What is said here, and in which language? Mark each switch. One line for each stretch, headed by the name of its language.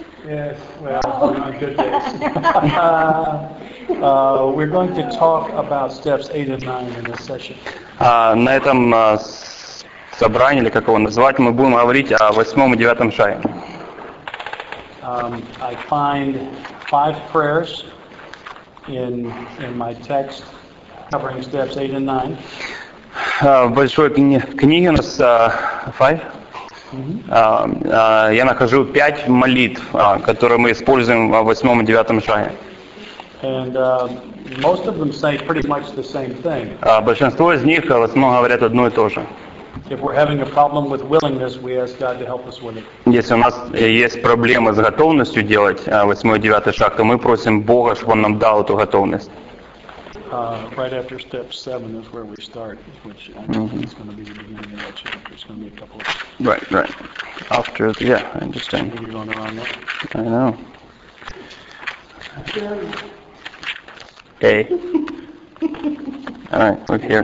English: We're going to talk about steps 8 and 9 in this session.
Russian: На этом собрании, или как его назвать, мы будем говорить о 8 и 9 шаге.
English: I find 5 prayers in my text covering steps 8 and 9.
Russian: В большой книге у нас 5. Я нахожу 5 молитв, которые мы используем в 8 и 9 шаге.
English: And most of them say pretty much the same thing.
Russian: Большинство из них в основном говорят одно и то же.
English: If we're having a problem with willingness, we ask God to help us with it.
Russian: Если у нас есть проблема с готовностью делать восьмой и девятый шаг, то мы просим Бога, чтобы Он нам дал эту готовность.
English: Right after step 7 is where we start, which is going to be the beginning of that chapter. There's going to be a couple of right. After, I understand. You're going around that. I know. Hey. All right, we're here.